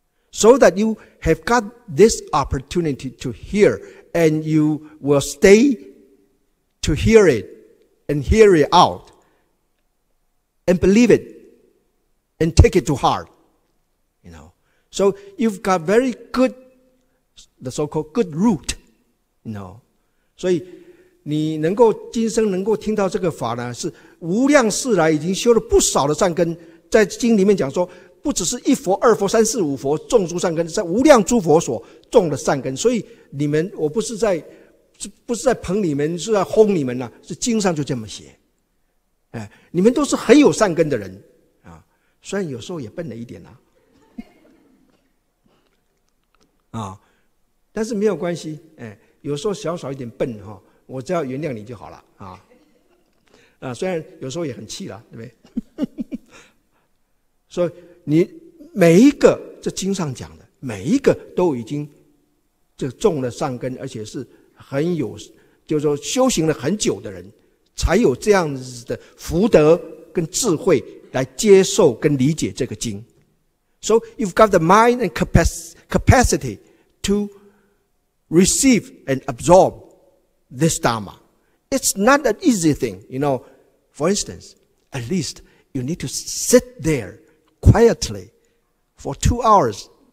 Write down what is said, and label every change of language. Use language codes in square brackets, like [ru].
[en] So that you have got this opportunity to hear, and you will stay to hear it, and hear it out, and believe it, and take it to heart. You know. So you've got very good, the so-called good root, you know. [zh] 所以你能够今生能够听到这个法呢, 是无量世来已经修了不少的善根, 在经里面讲说, 不只是一佛二佛三四五佛, 种诸善根, 在无量诸佛所种的善根, 所以你们, 我不是在, 不是在捧你们, 是在轰你们啊, 是经上就这么写, 哎, 你们都是很有善根的人, 啊, 虽然有时候也笨了一点啊, 啊, 但是没有关系, 哎, 有时候小小一点笨, 哦, 我只要原谅你就好了, 啊, 啊, 虽然有时候也很气啦, 对不对? 所以你每一个, 这经上讲的, 每一个都已经就种了善根, 而且是很有，就是说修行了很久的人才有这样子的福德跟智慧来接受跟理解这个经。 [en] So you've got the mind and capacity to receive and absorb this Dharma. It's not an easy thing, you know. For instance, at least you need to sit there quietly for 2 hours.